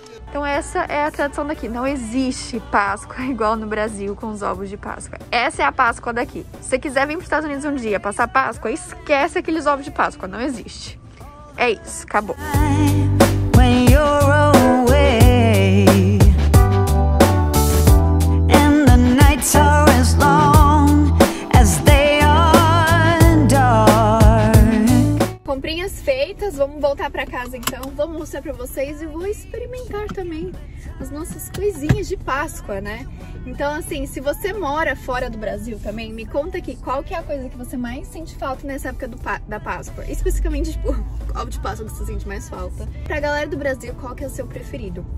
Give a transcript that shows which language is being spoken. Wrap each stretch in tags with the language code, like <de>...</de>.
<pt>Então essa é a tradição daqui. Não existe Páscoa igual no Brasil com os ovos de Páscoa. Essa é a Páscoa daqui. Se você quiser vir para os Estados Unidos um dia passar Páscoa, esquece aqueles ovos de Páscoa. Não existe. É isso. Acabou.</pt> <en>When you're away, and the nights are as long as they are dark.</en> <pt>Comprinhas feitas. Vamos voltar para casa então. Vou mostrar para vocês e vou experimentar também as nossas coisinhas de Páscoa, né? Então, assim, se você mora fora do Brasil também, me conta aqui qual que é a coisa que você mais sente falta nessa época da Páscoa. Especificamente, tipo, qual de Páscoa você sente mais falta. Pra galera do Brasil, qual que é o seu preferido?</pt>